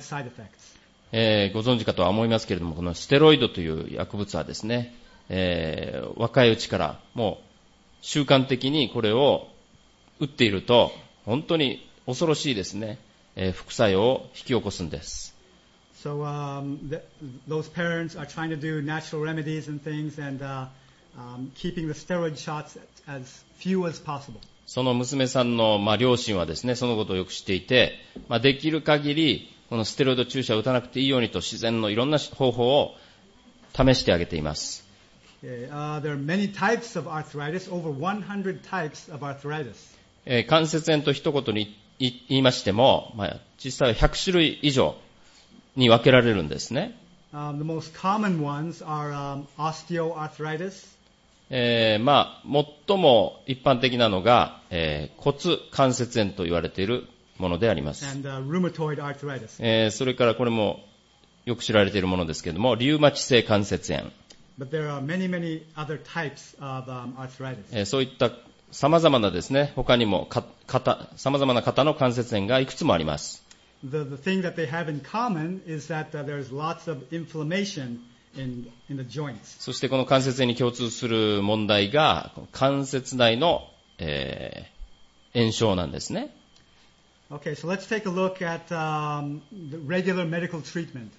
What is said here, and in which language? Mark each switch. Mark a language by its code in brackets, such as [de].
[ja] ご存知かとは思いますけれども、このステロイドという薬物はですね、若いうちからもう習慣的にこれを打っていると本当に恐ろしいですね、副作用を引き起こすんです。 [en] So, those parents are trying to do natural remedies and things and, keeping the steroid shots as few as possible. [ja] その娘さんの、まあ、両親はですね、そのことをよく知っていて、まあ、できる限りこのステロイド注射を打たなくていいようにと自然のいろんな方法を試してあげています。 [en] There are many types of arthritis, over 100 types of arthritis. [ja] 関節炎と一言に言いましても、まあ、実際は100種類以上に分けられるんですね。 [en] The most common ones are, osteoarthritis. [ja] まあ、最も一般的なのが、骨関節炎と言われているものであります。 [en] And, rheumatoid arthritis. [ja] それからこれもよく知られているものですけれども、リウマチ性関節炎。 [en] But there are many, many other types of arthritis. [ja] そういったさまざまなですね、他にもさまざまな方の関節炎がいくつもあります。 [en] The thing that they have in common is that there's lots of inflammation in the joints. [ja] そしてこの関節炎に共通する問題が関節内の、炎症なんですね。 [en] Okay, so let's take a look at the regular medical treatment.